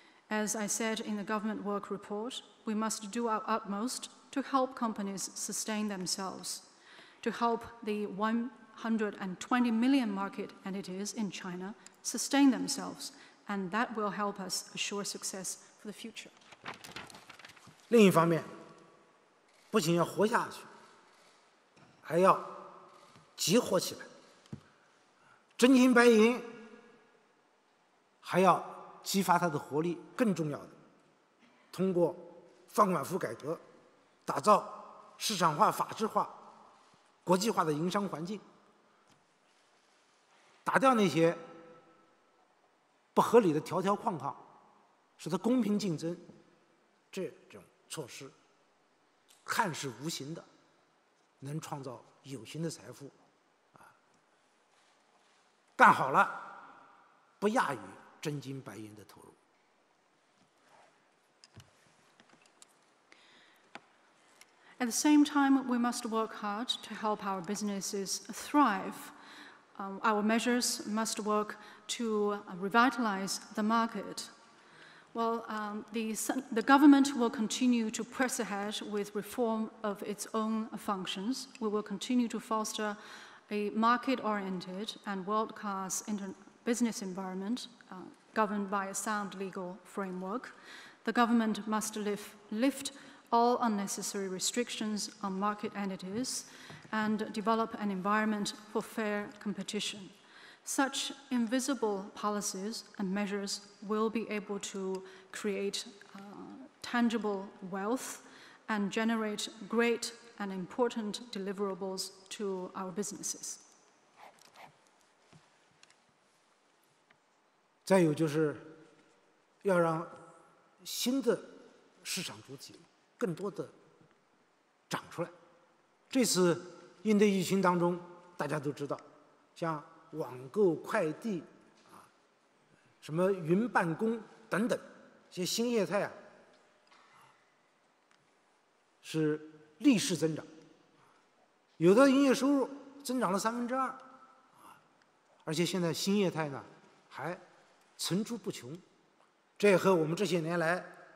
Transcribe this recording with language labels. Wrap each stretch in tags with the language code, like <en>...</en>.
<en>As I said in the government work report, we must do our utmost to help companies sustain themselves. To help the 120 million market entities in China sustain themselves, and that will help us assure success for the future.</en> <zh>另一方面，不仅要活下去，还要激活起来。真金白银，还要激发它的活力。更重要的，通过放管服改革，打造市场化、法治化。国际化的营商环境，打掉那些不合理的条条框框，使得公平竞争。这种措施看似无形的，能创造有形的财富，干好了不亚于真金白银的投入。</zh> <en>At the same time, we must work hard to help our businesses thrive. Our measures must work to revitalize the market. Well, the government will continue to press ahead with reform of its own functions. We will continue to foster a market-oriented and world-class business environment governed by a sound legal framework. The government must lift all unnecessary restrictions on market entities and develop an environment for fair competition. Such invisible policies and measures will be able to create tangible wealth and generate great and important deliverables to our businesses.</en> <zh>再有就是要让新的市场主体更多的长出来。这次应对疫情当中，大家都知道，像网购、快递啊，什么云办公等等，一些新业态啊，是逆势增长，有的营业收入增长了2/3，而且现在新业态呢还层出不穷，这也和我们这些年来。</zh>